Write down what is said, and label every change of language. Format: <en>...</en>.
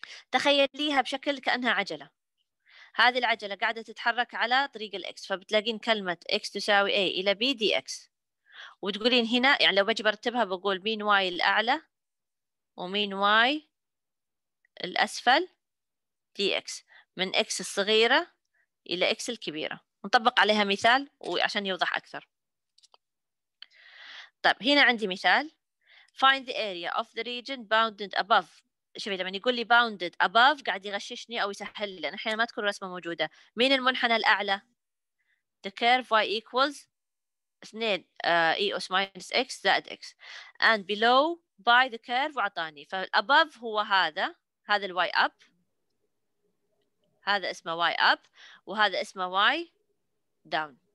<ar>تخيليها بشكل كأنها عجلة، هذه العجلة قاعدة تتحرك على طريق الاكس، فبتلاقين كلمة اكس تساوي اي الى بي دي اكس، وتقولين هنا يعني لو بجي برتبها بقول مين واي الاعلى ومين واي الاسفل دي اكس من اكس الصغيرة الى اكس الكبيرة، نطبق عليها مثال وعشان يوضح اكثر. طيب هنا عندي مثال.</ar> <en>Find the area of the region bounded above.</en> <ar>شوفي لما يقول لي bounded above قاعد يغششني أو يسهل لي، لأن أحيانا ما تكون الرسمة موجودة. مين المنحنى الأعلى؟</ar> <en>The curve y equals</en> <ar>2 e اس ماينس اكس زائد اكس</ar> <en>and below by the curve</en> <ar>وعطاني فالأبوف هو هذا هذا ال y up هذا اسمه y up وهذا اسمه y down</ar>